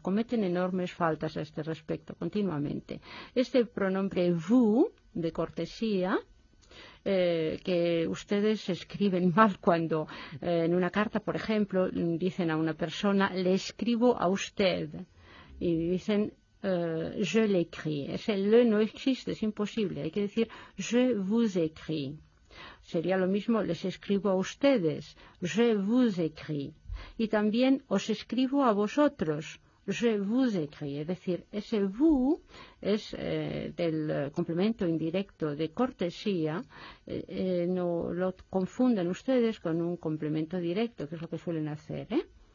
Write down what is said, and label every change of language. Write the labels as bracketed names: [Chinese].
[Spanish] Cometen enormes faltas a este respecto continuamente. Este pronombre vous, de cortesía, que ustedes escriben mal cuando en una carta, por ejemplo, dicen a una persona, le escribo a usted, y dicen [French] je l'écris. [Spanish] Ese le no existe, es imposible. Hay que decir [French] je vous écris. [Spanish] Sería lo mismo, les escribo a ustedes, [French] je vous écris. [Spanish] Y también os escribo a vosotros, [French] je vous écris. [Spanish] Es decir, ese vous es del complemento indirecto de cortesía. No lo confunden ustedes con un complemento directo, que es lo que suelen hacer, ¿eh?